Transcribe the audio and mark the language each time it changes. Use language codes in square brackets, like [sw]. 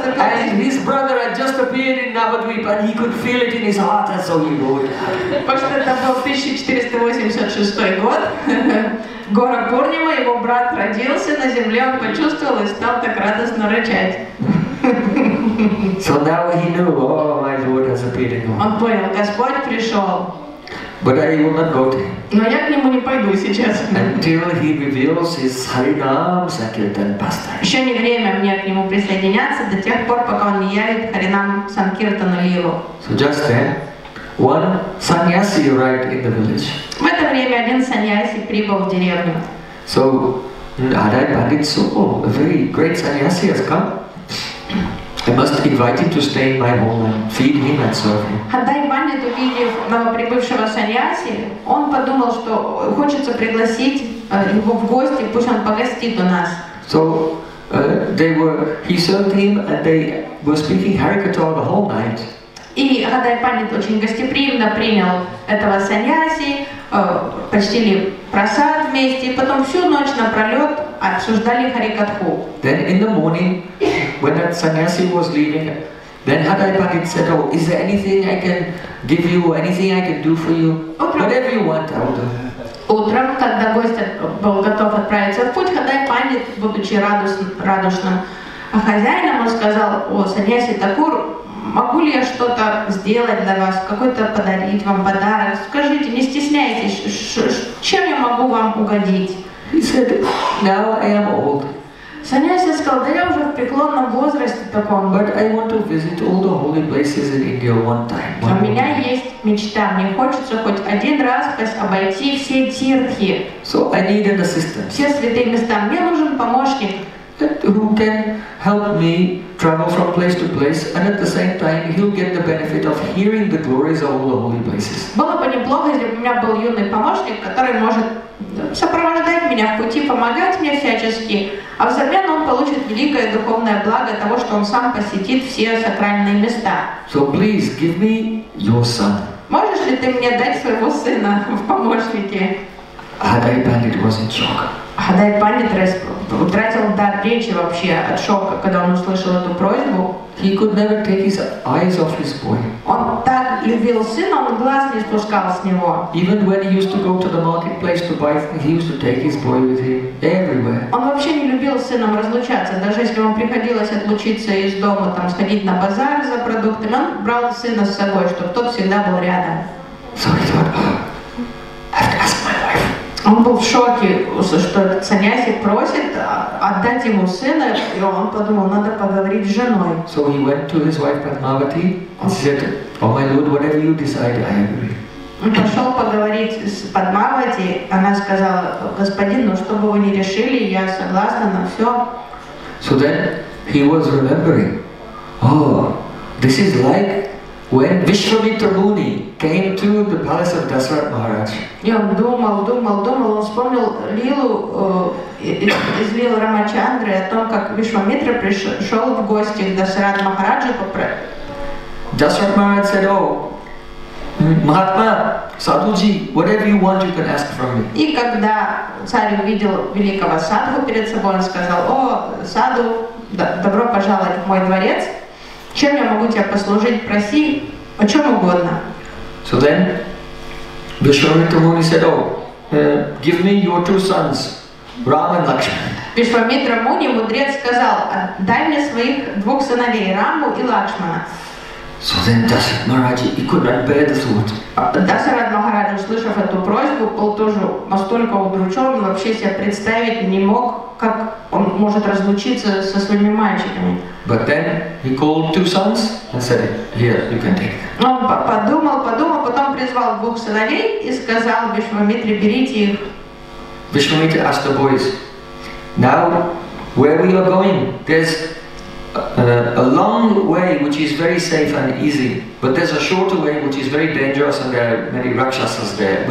[en] and his brother had just appeared in Navadvipa and he could feel it in his heart and so he wrote. [ru] Потому что это был 1486 год. Гора Пурнима, его брат родился на земле, он почувствовал и стал так радостно рычать. [en] So now he knew, oh, my Lord has appeared in him. [ru] Он понял, Господь пришел. [en] But I will not go to him. [ru] Но я к нему не пойду сейчас. [en] Until he reveals his Харинам, Санкиртан, Пастайм. [ru] Еще не время мне к нему присоединяться до тех пор, пока он не явит Харинам, Санкиртан, Лилу. [en] So just then, one sannyasi arrived in the village. [ru] В это время один sannyasi прибыл в деревню. [en] So, Адай Бандит Сухо, a very great sannyasi has come. I must invite him to stay in my home and feed him and serve him. [ru] Хадай Бандит, увидев новоприбывшего саньяси, он подумал, что хочется пригласить его в гости, пусть он погостит у нас. [en] So he served him and they were speaking Харикатха the whole night. [ru] И Хадай Бандит очень гостеприимно принял этого саньяси, почтили просад вместе, потом всю ночь напролет обсуждали Харикатху. [en] Then in the morning, when that sannyasi was leaving, then Hadai Pandit said, oh, is there anything I can give you, anything I can do for you? [ru] Утром, [en] whatever you want, I will do. [ru] Утром, когда гость был готов отправиться в путь, Хадай Пандит, будучи радушным хозяином, он сказал, о, саньяси Такур, могу ли я что-то сделать для вас, какой-то подарить вам подарок? Скажите, не стесняйтесь, чем я могу вам угодить? [en] He said, now I am old. [ru] Саньяси сказал, да я уже в преклонном возрасте таком. [en] But I want to visit all the holy places in India one time. [ru] У меня есть мечта, мне хочется хоть один раз обойти все тиртхи. [en] So I need an assistant. [ru] Все святые места, мне нужен помощник. [en] Who can help me travel from place to place and at the same time he'll get the benefit of hearing the glories of all the holy places. [ru] Было бы неплохо, если бы у меня был юный помощник, который может сопровождает меня в пути, помогает мне всячески, а взамен он получит великое духовное благо того, что он сам посетит все сакральные места. [en] So please give me your son. [ru] Можешь ли ты мне дать своего сына в помощники? [en] Хадай Пандит was in shock. [ru] Хадай Пандит утратил дар речи вообще от шока, когда он услышал эту просьбу. [en] He could never take his eyes off his boy. [ru] Он так любил сына, он глаз не спускал с него. [en] Even when he used to go to the marketplace to buy things, he used to take his boy with him everywhere. [ru] Он вообще не любил с сыном разлучаться, даже если ему приходилось отлучиться из дома, там сходить на базар за продуктами, он брал сына с собой, чтобы тот всегда был рядом. [en] So he thought, oh, I have to ask my wife. [ru] Он был в шоке, что Саньяси просит отдать ему сына, и он подумал, надо поговорить с женой. [en] So he went to his wife Padmavati and said, oh my lord, whatever you decide, I agree. [ru] Он пошел поговорить с Падмавати, она сказала, господин, ну что бы вы ни решили, я согласна на все. [en] So then he was remembering, oh, this is like when Vishwamitra Muni came to the palace of Dasarath Maharaj. [ru] Я думал, он вспомнил лилу из лилы Рамачандры о том, как Вишвамитра пришел в гости к Дасарат Махараджу попросить. [en] Дасарат Махарадж said, oh, Mahatma, Sadhuji, whatever you want, you can ask from me. [ru] И когда царь увидел великого Садху перед собой, он сказал, о, Садху, добро пожаловать в мой дворец. Чем я могу тебя послужить? Проси о чем угодно. [en] So then, Vishwamitra Muni said, oh, give me your two sons, Ram and Lakshman. [ru] Vishwamitra Muni, мудрец, сказал, дай мне своих двух сыновей, Раму и Лакшмана. [en] So then Dasarath Maharaji, he could not bear the thought. [ru] Dasarath Maharaj, услышав эту просьбу, был тоже настолько удручен, вообще себе представить не мог, как он может разлучиться со своими мальчиками. [en] But then he called two sons and said, here, you can take them. [ru] Он подумал, потом призвал двух сыновей и сказал Вишвамитре, берите их. [en] Vishwamitra asked the boys, now where we are going? There's a long way which is very safe and easy, but there's a shorter way which is very dangerous and there are many rakshasas there.